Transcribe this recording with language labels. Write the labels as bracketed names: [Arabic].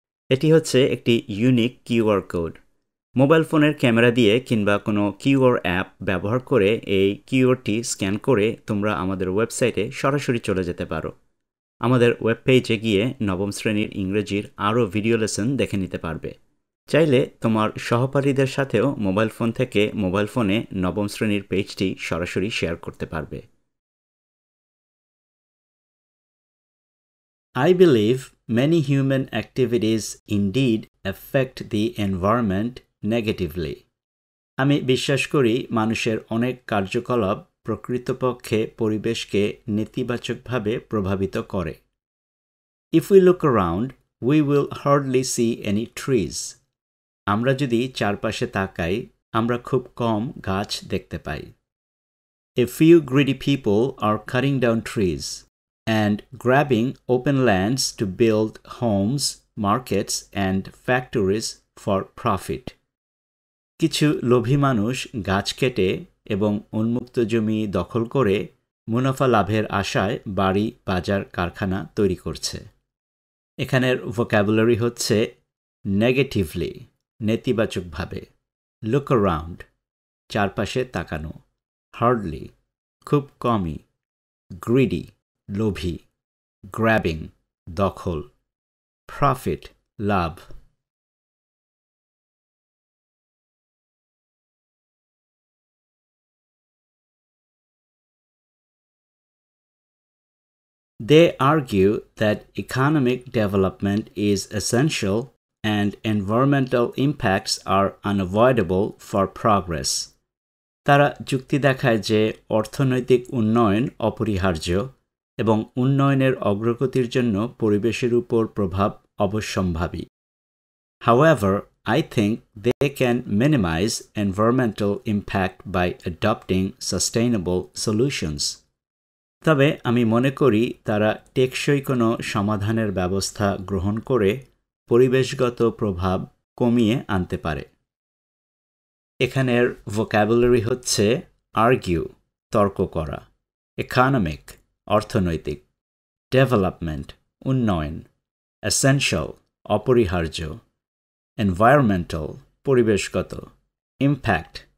[Bangla] এটি হচ্ছে একটি ইউনিক কিউআর কোড। মোবাইল ফোনের ক্যামেরা দিয়ে কিংবা কোনো কিউআর অ্যাপ ব্যবহার করে এই কিউআরটি স্ক্যান করে তোমরা আমাদের ওয়েবসাইটে সরাসরি চলে যেতে পারো। আমাদের ওয়েব পেজে গিয়ে নবম শ্রেণীর ইংরেজির আরও ভিডিও লেসন দেখে নিতে পারবে। চাইলে তোমার সহপাঠীদের সাথেও মোবাইল ফোন থেকে মোবাইল ফোনে নবম শ্রেণীর পেজটি সরাসরি শেয়ার করতে পারবে। [English] I believe many human activities indeed affect the environment negatively. [Bangla] আমি বিশ্বাস করি মানুষের অনেক কার্যকলাপ প্রকৃতপক্ষে পরিবেশকে নেতিবাচকভাবে প্রভাবিত করে। [English] If we look around, we will hardly see any trees. [Bangla] আমরা যদি চারপাশে তাকাই, আমরা খুব কম গাছ দেখতে পাই। [English] A few greedy people are cutting down trees and grabbing open lands to build homes, markets, and factories for profit. [Bangla] কিছু লোভী মানুষ গাছ কেটে এবং উন্মুক্ত জমি দখল করে মুনাফা লাভের আশায় বাড়ি, বাজার, কারখানা তৈরি করছে। এখানের ভোকাবুলারি হচ্ছে নেগেটিভলি, নেতিবাচকভাবে, লুক অ্যারাউন্ড, চারপাশে তাকানো, হার্ডলি, খুব কমই, গ্রিডি, লোভী, গ্র্যাবিং, দখল, profit, love. [English] They argue that economic development is essential and environmental impacts are unavoidable for progress. [Bangla] তারা যুক্তি দেখায় যে অর্থনৈতিক উন্নয়ন অপরিহার্য এবং উন্নয়নের অগ্রগতির জন্য পরিবেশের উপর প্রভাব অবশ্যম্ভাবী। [English] However, I think they can minimize environmental impact by adopting sustainable solutions. [Bangla] তবে আমি মনে করি তারা টেকসই কোনো সমাধানের ব্যবস্থা গ্রহণ করে পরিবেশগত প্রভাব কমিয়ে আনতে পারে। এখানের ভোকাবুলারি হচ্ছে আর্গিউ, তর্ক করা, ইকোনমিক, অর্থনৈতিক, ডেভেলপমেন্ট, উন্নয়ন, এসেনশিয়াল, অপরিহার্য, এনভায়রনমেন্টাল, পরিবেশগত, ইম্প্যাক্ট,